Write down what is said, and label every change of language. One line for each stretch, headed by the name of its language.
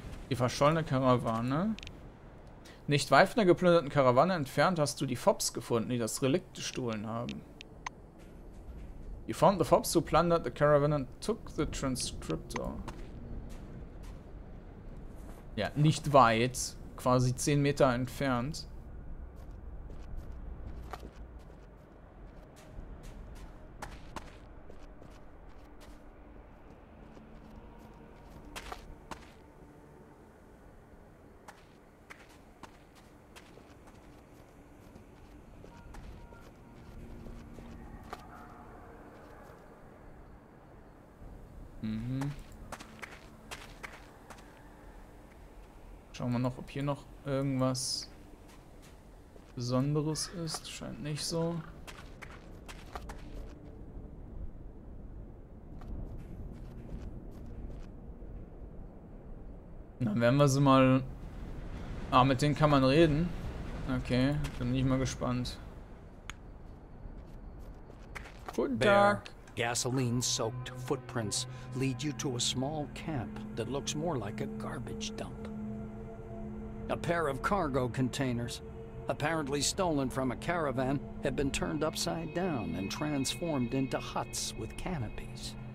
German: Die verschollene Karawane. Nicht weit von der geplünderten Karawane entfernt hast du die Fops gefunden, die das Relikt gestohlen haben.
English: You found the fobs who plundered the caravan and took the transcriptor.
German: Ja, nicht weit. Quasi 10 Meter entfernt. Schauen wir noch, ob hier noch irgendwas Besonderes ist. Scheint nicht so. Dann werden wir sie mal... Ah, mit denen kann man reden. Okay, dann bin ich mal gespannt. Guten Tag. Bear,
English: gasoline-soaked footprints lead you to a small camp that looks more like a garbage dump. A pair of cargo containers, apparently stolen from a caravan, have been turned upside down and transformed into huts with canopies.